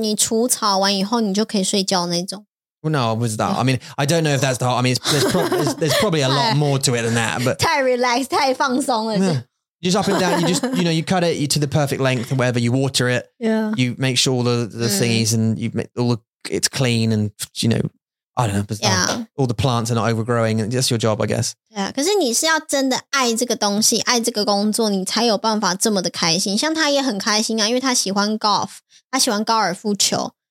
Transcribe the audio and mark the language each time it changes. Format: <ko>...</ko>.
<zh>那每天呢？你要每天做这事情啊？然后你就是你除草完以后，你就可以睡觉那种。</zh> <en>Well, no, I was that. I mean, I don't know if that's the whole, I mean, there's probably a lot more to it than that, but.</en> <zh>太relaxed,太放松了。</zh> <en>Yeah. Just up and down, you just, you know, you cut it to the perfect length and whatever, you water it. Yeah. You make sure all the thingies and you make all the, it's clean and, you know, I don't know. Yeah. All the plants are not overgrowing. And that's your job, I guess. Yeah.</en> <zh>可是你是要真的爱这个东西,爱这个工作,你才有办法这么的开心。像他也很开心啊,因为他喜欢 golf, 他喜欢 高尔夫球。</zh>